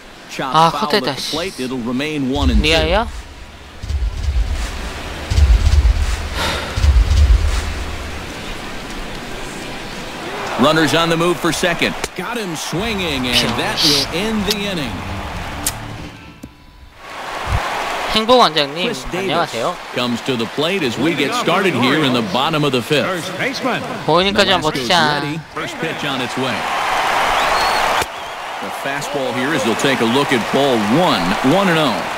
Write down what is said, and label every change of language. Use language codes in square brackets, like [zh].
[en] Shot foul at the plate, it'll remain 1-2. [ko] 니아야? [en] Runners on the move for second. Got him swinging, and that will end the inning. [ko] 행복 원장님, 안녕하세요. [en] Comes to the plate as we get started here in the bottom of the fifth. [ko] 보이니까 좀 버티자. [en] First pitch on its way. The fastball here is they'll take a look at ball one, 1-0.